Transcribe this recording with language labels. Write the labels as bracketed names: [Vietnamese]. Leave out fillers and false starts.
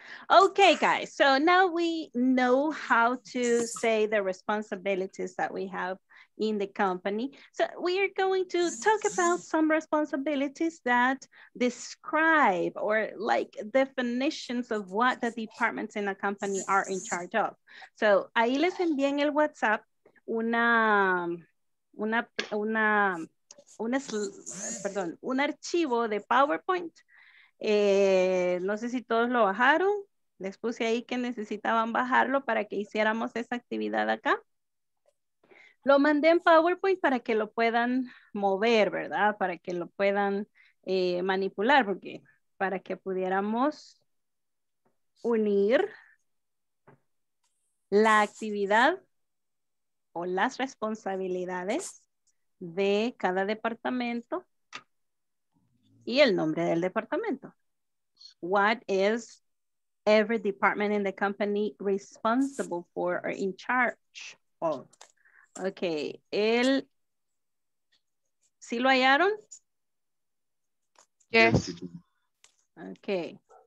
[English] Okay, guys, so now we know how to say the responsibilities that we have in the company. So we are going to talk about some responsibilities that describe or like definitions of what the departments in a company are in charge of. [Spanish] So ahí les envié en el WhatsApp un archivo de PowerPoint. No sé si todos lo bajaron. Les puse ahí que necesitaban bajarlo para que hiciéramos esa actividad acá. Lo mandé en PowerPoint para que lo puedan mover, ¿verdad? Para que lo puedan manipular, porque para que pudiéramos unir la actividad o las responsabilidades de cada departamento y el nombre del departamento. [English] What is every department in the company responsible for or in charge of? [Spanish] Okay, el, ¿sí lo hallaron? [English] Yes. Okay.